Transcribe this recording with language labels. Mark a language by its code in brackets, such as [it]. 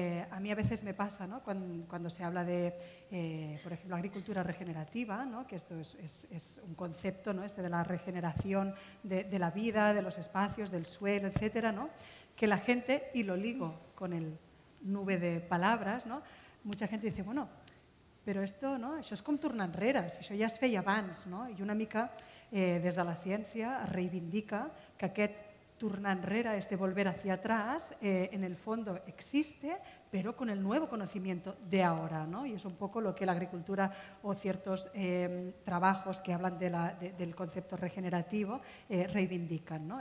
[es] A mí a veces me pasa, ¿no? cuando se habla de, por ejemplo, agricultura regenerativa, ¿no? que esto es un concepto, ¿no? este de la regeneración de la vida, de los espacios, del suelo, etcétera, ¿no? que la gente, y lo ligo con el nube de palabras, ¿no? mucha gente dice, bueno, pero esto, ¿no? [ca] això és com tornar enrere, si això ja es feia abans, ¿no? i una mica des de la ciència es reivindica que aquest tornar enrere, [es] este volver hacia atrás, en el fondo existe, pero con el nuevo conocimiento de ahora, ¿no? y es un poco lo que la agricultura o ciertos trabajos que hablan del concepto regenerativo reivindican, ¿no?